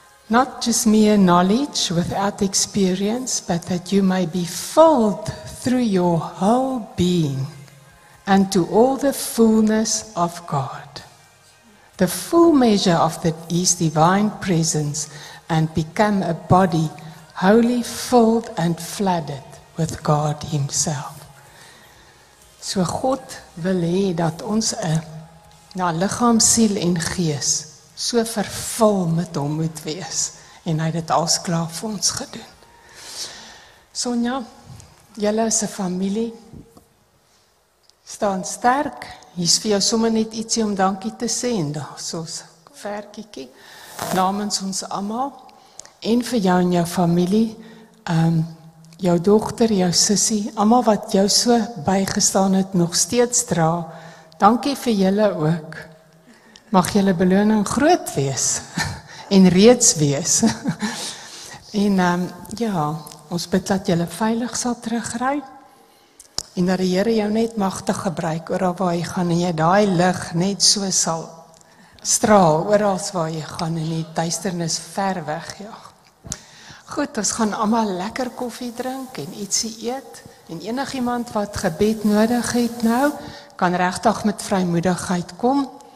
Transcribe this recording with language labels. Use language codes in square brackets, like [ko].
[en] Not just mere knowledge without experience, but that you may be filled through your whole being and to all the fullness of God. The full measure of his divine presence and become a body wholly filled and flooded with God himself. [af] So God wil hê dat ons lichaam, siel en gees so vervul met hom moet wees. En hy het dit als klaar vir ons gedoen. Sonja, julle is 'n familie, staan sterk. Hier is vir jou sommer net ietsie om dankie te sê. En dan soos verkiekie namens ons allemaal. En vir jou en jou familie, jou dochter, jou sissie, allemaal wat jou so bygestaan het, nog steeds dra, dankie vir julle ook. Mag julle beloning groot wees, en reeds wees. En ons bid dat julle veilig sal terugry, en dat die Heere jou net magtig gebruik, ooral waar jy gaan, en jy daai lig net so sal straal, ooral waar jy gaan, en die duisternis ver weg, ja. Goed, ons gaan allemaal lekker koffie drink en ietsie eet. En enig iemand wat gebed nodig het nou, kan regtig met vrymoedigheid kom.